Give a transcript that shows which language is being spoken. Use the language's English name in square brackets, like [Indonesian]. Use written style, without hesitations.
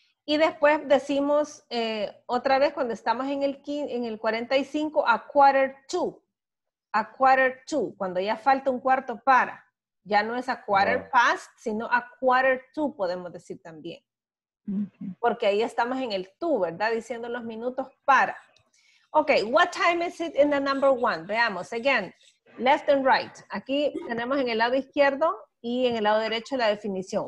[Spanish] Y después decimos otra vez cuando estamos en el 45, a quarter to. A quarter to, cuando ya falta un cuarto para. Ya no es a quarter past, sino a quarter to, podemos decir también. Porque ahí estamos en el to, ¿verdad? Diciendo los minutos para. [English] Ok, what time is it in the number one? Veamos, again, left and right. [Spanish] Aquí tenemos en el lado izquierdo y en el lado derecho la definición.